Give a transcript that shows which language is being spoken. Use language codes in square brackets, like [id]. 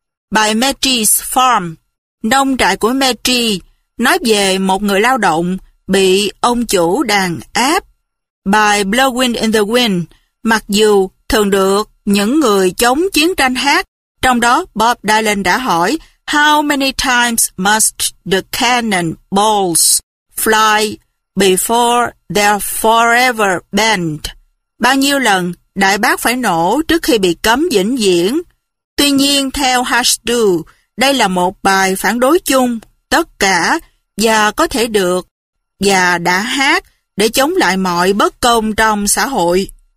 [vi] Bài Metis Farm, nông trại của Metis, nói về một người lao động bị ông chủ đàn áp. Bài Blowing in the Wind, mặc dù thường được những người chống chiến tranh hát, trong đó Bob Dylan đã hỏi [en] How many times must the cannon balls fly before they're forever banned. [vi] Bao nhiêu lần đại bác phải nổ trước khi bị cấm vĩnh viễn? Tuy nhiên, theo Hasdu, đây là một bài phản đối chung tất cả và có thể được và đã hát để chống lại mọi bất công trong xã hội.